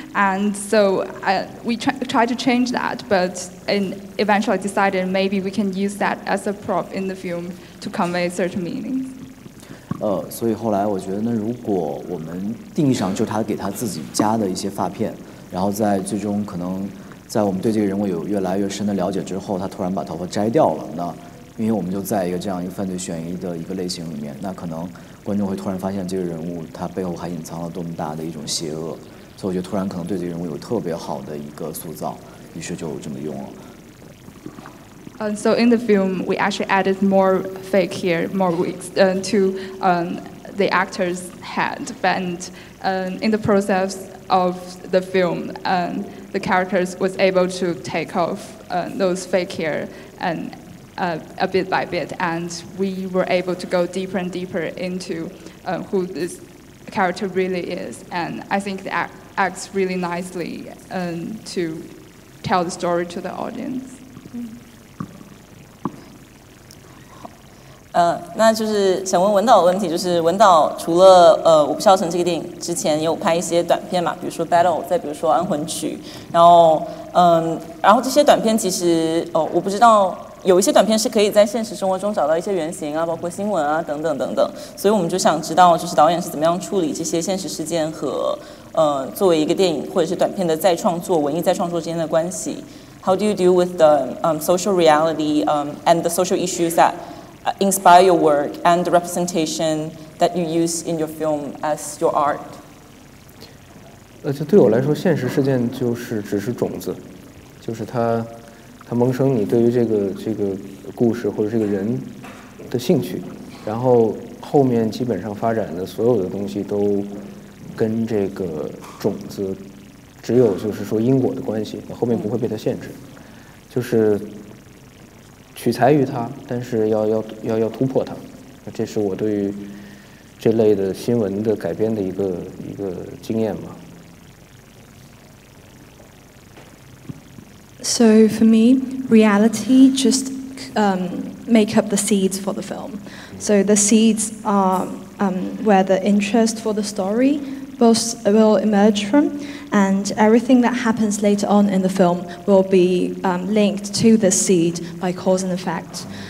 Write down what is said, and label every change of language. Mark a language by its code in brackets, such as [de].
[en] And so we tried to change that, but eventually decided maybe we can use that as a prop in the film to convey a certain meaning. [zh] 所以后来我觉得呢，如果我们定义上就他给他自己加的一些发片，然后在最终可能在我们对这个人物有越来越深的了解之后，他突然把头发摘掉了，那因为我们就在一个这样一个犯罪悬疑的一个类型里面，那可能观众会突然发现这个人物他背后还隐藏了多么大的一种邪恶，所以我觉得突然可能对这个人物有特别好的一个塑造，于是就这么用了。 [en] So in the film, we actually added more fake hair, more wigs, to the actor's head. And in the process of the film, the characters was able to take off those fake hair and a bit by bit. And we were able to go deeper and deeper into who this character really is. And I think it acts really nicely to tell the story to the audience. [zh] 那就是想问文导的问题，就是文导除了我不笑成这个电影之前也有拍一些短片嘛，比如说 Battle， 再比如说安魂曲，然后这些短片其实我不知道，有一些短片是可以在现实生活中找到一些原型啊，包括新闻啊等等等等，所以我们就想知道就是导演是怎么样处理这些现实事件和作为一个电影或者是短片的再创作，文艺再创作之间的关系。 [en] How do you deal with the social reality and the social issues thatinspire your work and the representation that you use in your film as your art? [zh] 这对我来说现实事件就是只是种子，就是它萌生你对于这个故事或者这个人的兴趣，然后后面基本上发展的所有的东西都跟这个种子只有就是说因果的关系，后面不会被它限制，就是取材于它，但是要突破它，这是我对于这类的新闻的改编的一个经验嘛。 [en] So for me, reality just make up the seeds for the film. So the seeds are where the interest for the story both will emerge from, and everything that happens later on in the film will be linked to the seed by cause and effect.